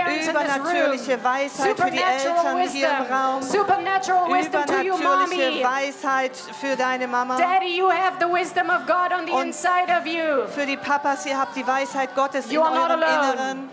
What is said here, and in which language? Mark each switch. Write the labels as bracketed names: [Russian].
[German] Übernatürliche Weisheit für die Eltern hier im Raum. Übernatürliche Weisheit für deine Mama. [English] Daddy, you have the wisdom of God on the inside of you. [German] Für die Papas, ihr habt die Weisheit Gottes in eurem Inneren.